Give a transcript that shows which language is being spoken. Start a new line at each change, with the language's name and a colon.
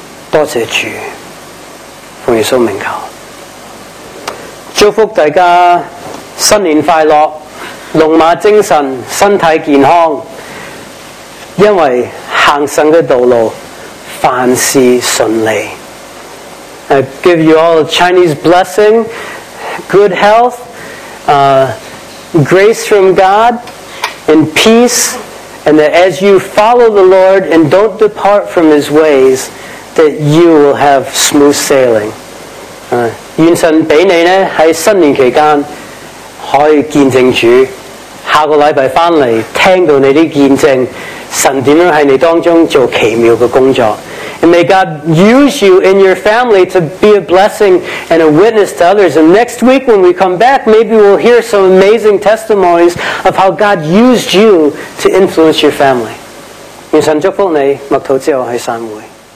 Chinese: 多谢主，奉耶稣名求，祝福大家新年快乐。龙马精神，身体健康，因为行神的道路凡事顺利。
English: I give you all a Chinese blessing, good health, grace from God, and peace, and that as you follow the Lord and don't depart from His ways, that you will have smooth sailing.
Chinese: 愿神给你呢在新年期间可以见证主，下个礼拜回来听到你的见证，神怎样在你当中做奇妙的工作。
English: And may God use you in your family to be a blessing and a witness to others. And next week when we come back, maybe we'll hear some amazing testimonies of how God used you to influence your family.
Chinese: 愿神祝福你，麦土之后喺散会。